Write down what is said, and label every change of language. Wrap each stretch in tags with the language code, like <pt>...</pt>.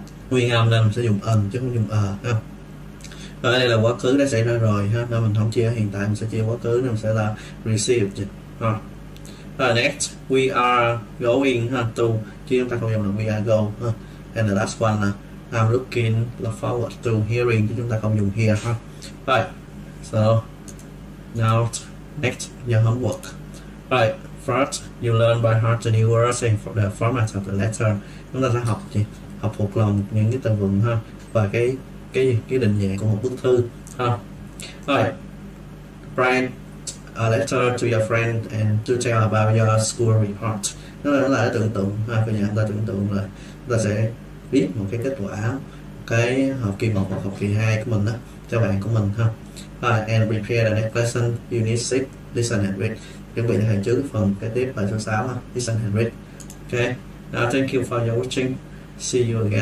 <vi>nguyên âm nên mình sẽ dùng âm chứ không dùng ờ ha. Và đây là quá khứ đã xảy ra rồi ha, nên mình không chia hiện tại, mình sẽ chia quá khứ nên mình sẽ là received ha.</vi> <en>Next we are going</en> <vi>ha, to chứ chúng ta không dùng là</vi> <en>we are go</en> <vi>ha.</vi> <en>And the last one là I'm looking forward to hearing,</en> <vi>chứ chúng ta không dùng</vi> <en>here ha. Right, so now next your homework. Right, first you learn by heart the new words and for the format of the letter.</en> <vi>Chúng ta sẽ học gì? Học thuộc lòng những cái từ vựng ha, và cái định dạng của một bức thư ha.</vi> <en>Right, write a letter to your friend and to tell about your school report.</en> <vi>Nó là cái tưởng tượng ha, bây giờ chúng ta tưởng tượng là chúng ta sẽ viết một cái kết quả cái học kỳ 1 hoặc học kỳ 2 của mình đó cho bạn của mình ha.</vi> <en>And prepare the next lesson, unit 6, listen and read.</en> <vi>Chuẩn bị hàng trước phần kế tiếp bài số 6 ha, listen and read.</vi> <en>Okay, now thank you for your watching. See you again.</en>